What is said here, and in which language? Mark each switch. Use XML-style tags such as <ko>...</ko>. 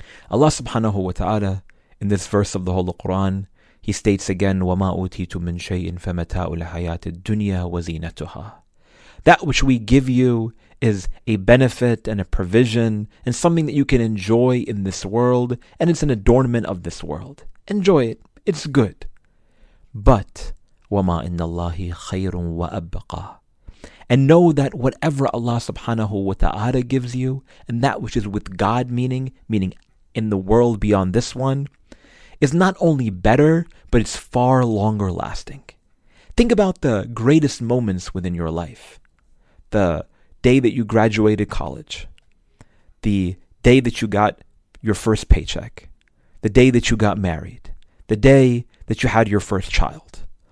<en>Allah subhanahu wa ta'ala, in this verse of the Holy Quran, He states again,</en> <ar>وَمَا أُوتِيتُ مِنْ شَيْءٍ فَمَتَاءُ الْحَيَاةِ الدُّنْيَا وَزِينَتُهَا.</ar> <en>That which we give you is a benefit and a provision and something that you can enjoy in this world, and it's an adornment of this world. Enjoy it. It's good. But,</en> <ar>وَمَا إِنَّ اللَّهِ خَيْرٌ وَأَبْقَى.</ar> <en>And know that whatever Allah subhanahu wa ta'ala gives you, and that which is with God, meaning in the world beyond this one, is not only better, but it's far longer lasting. Think about the greatest moments within your life. The day that you graduated college, the day that you got your first paycheck, the day that you got married, the day that you had your first child.</en>